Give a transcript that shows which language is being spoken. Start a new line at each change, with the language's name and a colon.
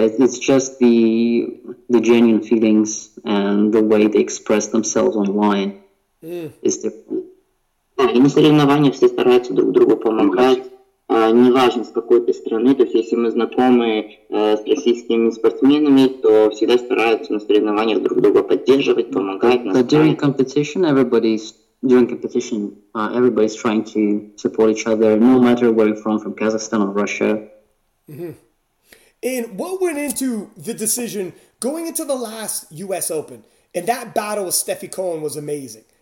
English: It's just the genuine feelings and the way they express themselves online is different.
Russian: Да, и на соревнованиях все стараются друг другу помогать. Неважно, с какой ты страны, то есть если мы знакомы с российскими спортсменами, то всегда стараются на соревнованиях друг друга поддерживать, помогать, наставить.
English: But during competition, everybody's trying to support each other, no matter where you're from Kazakhstan or Russia. Mm-hmm. And what went into the decision going into the last US Open, and that battle with Steffi Cohen was amazing.